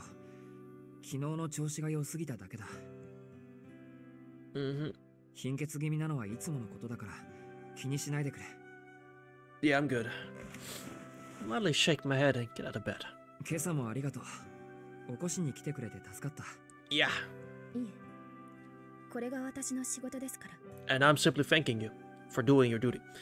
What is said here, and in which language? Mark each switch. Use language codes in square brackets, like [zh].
[ja] 昨日の調子が良すぎただけだ。 [en] Mm-hmm. [ja] 貧血気味なのはいつものことだから気にしないでくれ。 [en] Yeah, I'm good. Mildly shake my head and get out of bed. [ja] 今朝もありがとう。起こしに来てくれて助かった。 [en] Yeah. And I'm simply thanking you for doing your duty.